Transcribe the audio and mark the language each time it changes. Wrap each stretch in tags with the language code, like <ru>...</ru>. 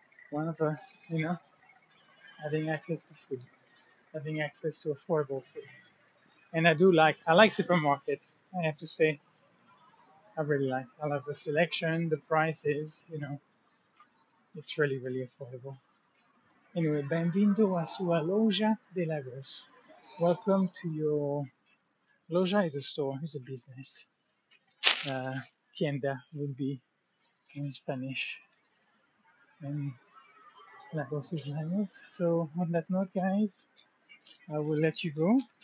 <en>One of the, you know, having access to food, having access to affordable food. And I like supermarket, I have to say. I love the selection, the prices, you know. It's really, really affordable.</en> <pt>Anyway, bem-vindo a sua loja de Lagos.</pt> <en>Welcome to your, loja is a store, it's a business. Tienda would be in Spanish. And Lagos is Lagos. So on that note, guys, I will let you go.</en>